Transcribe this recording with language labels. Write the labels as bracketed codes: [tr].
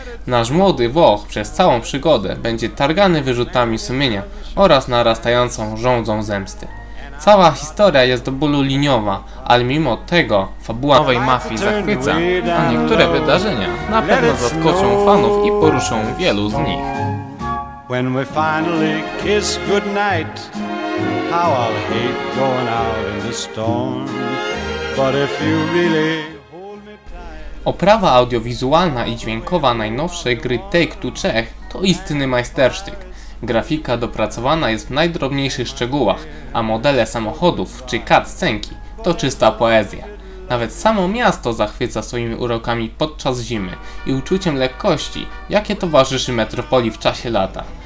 [pl] Nasz młody Włoch przez całą przygodę będzie targany wyrzutami sumienia oraz narastającą żądzą zemsty. Cała historia jest do bólu liniowa, ale mimo tego fabuła nowej mafii zachwyca, a niektóre wydarzenia na pewno zaskoczą fanów i poruszą wielu z nich. [en] When we finally kiss goodnight, how I'll hate going out in the storm. But if you really hold me tight. [pl] Oprawa audiowizualna i dźwiękowa najnowszej gry Take-Two Czech to istny majstersztyk. Grafika dopracowana jest w najdrobniejszych szczegółach, a modele samochodów czy cutscenki to czysta poezja. Nawet samo miasto zachwyca swoimi urokami podczas zimy i uczuciem lekkości, jakie towarzyszy metropolii w czasie lata.